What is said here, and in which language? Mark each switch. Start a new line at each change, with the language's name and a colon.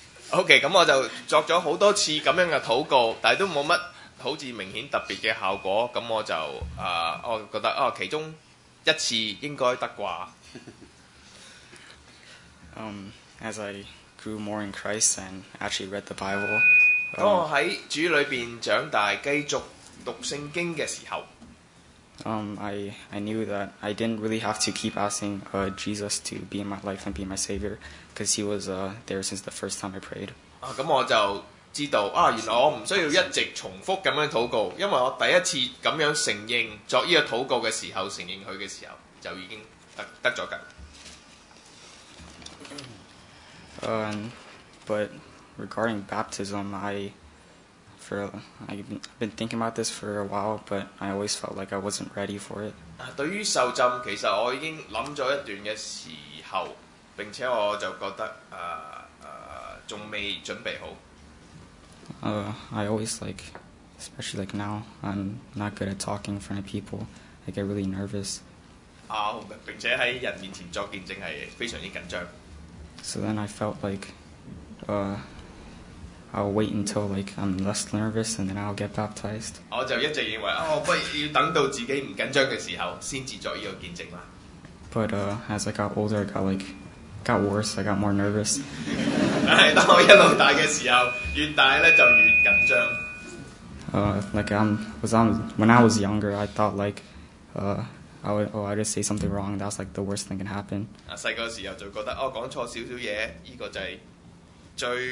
Cantonese: Okay, 咁我就作咗好多次咁樣嘅禱告，但係都冇乜好似明顯特別嘅效果。咁我就覺得其中一次應該得啩。
English: As I grew more in Christ and actually read the Bible.
Cantonese: 當我喺主裏邊長大，繼續讀聖經嘅時候，
English: I knew that I didn't really have to keep asking Jesus to be in my life and be my savior, because he was there since the first time I prayed.
Cantonese: 咁我就知道原來我唔需要一直重複咁樣禱告，因為我第一次咁樣承認作呢個禱告嘅時候，承認佢嘅時候就已經得咗緊。
English: But regarding baptism, I've been thinking about this for a while, but I always felt like I wasn't ready for it.
Cantonese: 對於受浸，其實我已經諗咗一段嘅時候，並且我就覺得仲未準備好。
English: I always like, especially like now, I'm not good at talking in front of people. I get really nervous.
Cantonese: 並且喺人面前作見證係非常之緊張。
English: So then I felt like I'll wait until like I'm less nervous and then I'll get baptized.
Cantonese: 我就一直認為，哦，不如要等到自己唔緊張嘅時候先至作呢個見證啦。
English: But as I got older, I got like got worse. I got more nervous.
Cantonese: 但係當我一路大嘅時候，越大咧就越緊張。
English: Like when I was younger, I thought like I would just say something wrong. That's like the worst thing can happen.
Cantonese: 啊，細個時候就覺得哦，講錯少少嘢，依個就係最。